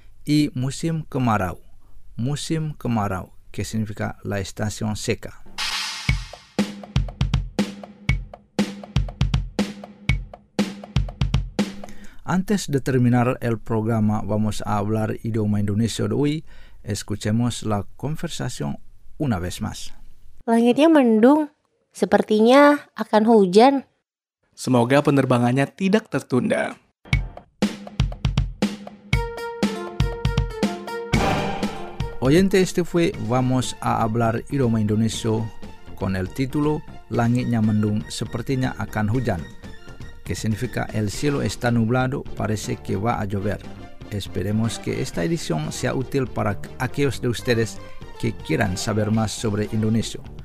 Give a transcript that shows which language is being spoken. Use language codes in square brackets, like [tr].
[es] Y musim kemarau. Musim kemarau, que significa la estación seca. Antes de terminar el programa Vamos a hablar idioma indonesio de hoy, escuchemos la conversación una vez más. [id] Langitnya mendung, sepertinya akan hujan. Semoga penerbangannya tidak tertunda. [es] Oyente, este fue Vamos a Hablar Idioma Indonesio con el título Langitnya Mendung Sepertinya Akan Hujan, que significa El cielo está nublado, parece que va a llover. Esperemos que esta edición sea útil para aquellos de ustedes que quieran saber más sobre Indonesia.